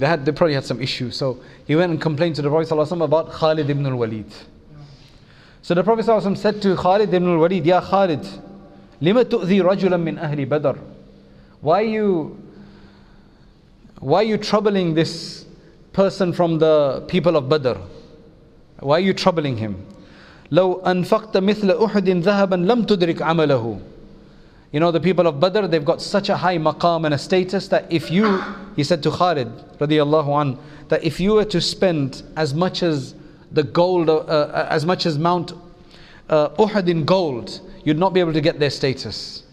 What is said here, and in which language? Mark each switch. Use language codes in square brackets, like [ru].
[en] They probably had some issue. So he went and complained to the Prophet sallallahu alayhi wa sallam about Khalid ibn al-Walid. So the Prophet sallallahu alayhi wa sallam said to Khalid ibn al-Walid, [ar] Ya Khalid, lima tu'zi rajulan min ahli badr? [en] Why are you troubling this person from the people of Badr? Why are you troubling him? [ar] لو أنفقت مثل أحد ذهبا لم تدرك عمله. [en] You know, the people of Badr, they've got such a high maqam and a status that if you, he said to Khalid radiallahu an, that if you were to spend as much as the gold, as much as Mount Uhud in gold, you'd not be able to get their status.